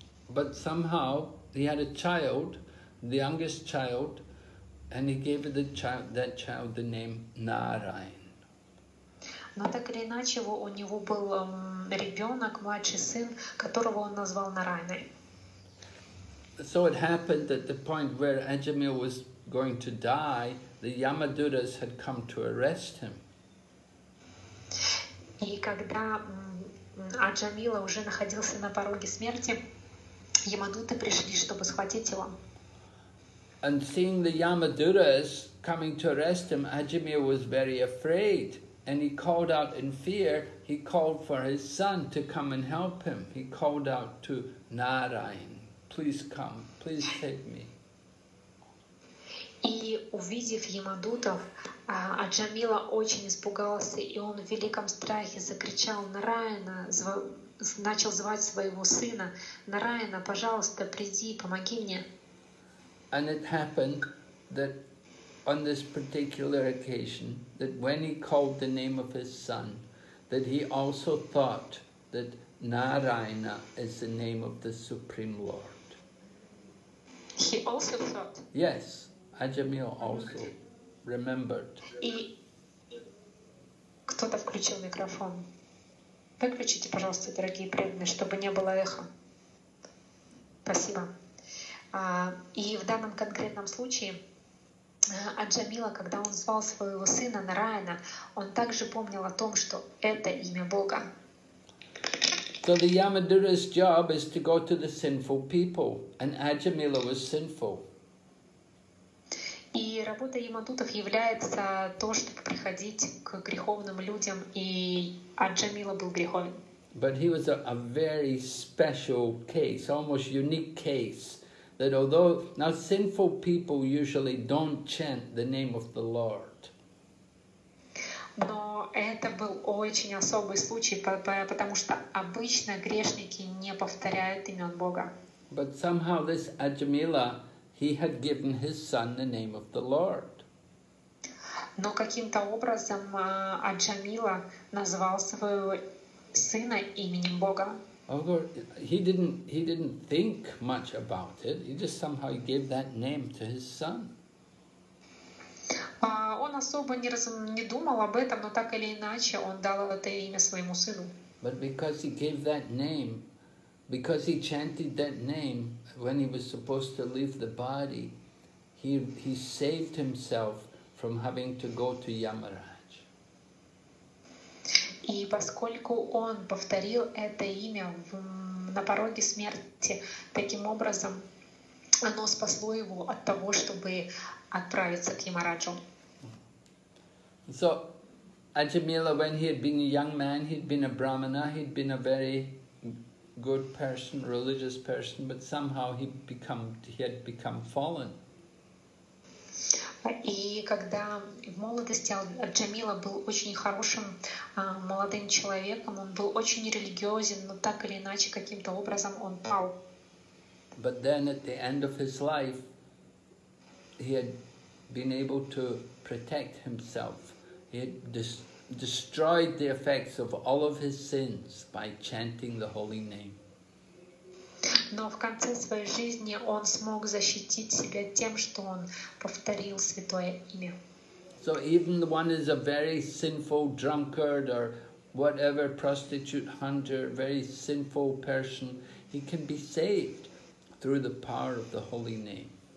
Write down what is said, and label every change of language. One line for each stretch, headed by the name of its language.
English: But somehow he had a child, the youngest child, and he gave the child, that child the name Narayan.
Russian: Но так или иначе, у него был ребенок, младший сын, которого он назвал Нарайной.
English: So it happened that the point where Ajameya was going to die, the Yamadutas had come to arrest him.
Russian: И когда Аджамила уже находился на пороге смерти, Ямадуты пришли, чтобы схватить его.
English: And seeing the Yamadutas coming to arrest him, Ajameya was very afraid. And he called out in fear, he called for his son to come and help him. He called out to Narayan, please come, please take me.
Russian: И увидев Ямадутов, Аджамила очень испугался, и он в великом страхе закричал Нараяна, начал звать своего сына. Нараяна, пожалуйста, приди, помоги мне.
English: And it happened that on this particular occasion, that when he called the name of his son, that he also thought that Narayana is the name of the Supreme Lord. He also thought? Yes, Ajameya also remembered.
Russian: И кто-то включил микрофон. Выключите, пожалуйста, дорогие преданные, чтобы не было эхо. Спасибо. И в данном конкретном случае Аджамила, когда он звал своего сына Нараяна, он также помнил о том, что это имя Бога.
English: So the Yamadutta's job is to go to the sinful people, and Ajameya was sinful.
Russian: И работа Ямадутов является то, чтобы приходить к греховным людям, и Аджамила был греховен.
English: But he was a very special case, almost unique case. That although now sinful people usually don't chant the name of the Lord.
Russian: Но это был очень особый случай, потому что обычно грешники не повторяют имен Бога.
English: But somehow this Ajameya, he had given his son the name of the Lord.
Russian: Но каким-то образом Аджамила назвал своего сына именем Бога.
English: Although he didn't think much about it, he just somehow gave that name to his son.
Russian: Он особо не думал об этом, но так или иначе он дал это имя своему сыну.
English: But because he gave that name, because he chanted that name when he was supposed to leave the body, he saved himself from having to go to Yamara.
Russian: И поскольку он повторил это имя на пороге смерти, таким образом оно спасло его от того, чтобы отправиться к Ямараджу.
English: So, Ajameya, when he had been a young man, he'd been a brahmana, he'd been a very good person, religious person, but somehow he had become fallen.
Russian: И когда в молодости Аджамила был очень хорошим молодым человеком, он был очень религиозен, но так или иначе каким-то образом он пал.
English: But then at the end of his life, he had been able to protect himself. He had destroyed the effects of all of his sins by chanting the holy name.
Russian: Но в конце своей жизни он смог защитить себя тем, что он повторил святое имя.
English: So even the one is a very sinful drunkard or whatever, prostitute hunter, very sinful person, he can be saved through the power of the holy name.